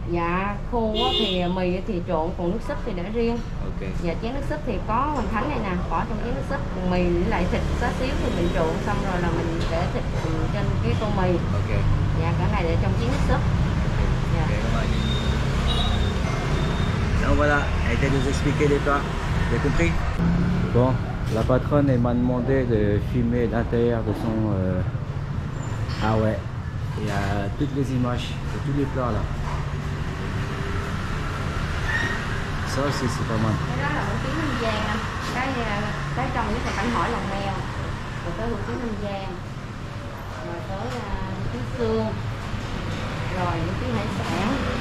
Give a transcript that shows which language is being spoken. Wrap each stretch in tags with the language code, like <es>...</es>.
<vi>Dạ, khô thì mì thì trộn, còn nước súp thì để riêng. Ok. Dạ, chén nước súp thì có hoành thánh này nè, bỏ trong chén nước súp. Mì lại thịt xá xíu thì mình trộn xong rồi là mình để thịt trên cái tô mì. Ok. Dạ, cả này để trong chén nước súp. Ok, cảm ơn.</vi> <fr>Voilà, elle était nous expliquer les plats. J'ai compris. Bon, la patronne m'a demandé de filmer l'intérieur de son... Ah ouais. Il y a toutes les images de tous les plats là. Ça aussi c'est pas mal.</fr> <vi>Cái đó là hủ tiếu Ninh Giang anh. Cái trong cái cảnh hỏi lòng mèo. Rồi tới hủ tiếu Ninh Giang. Rồi tới tiếu xương. Rồi những cái hải sản.</vi>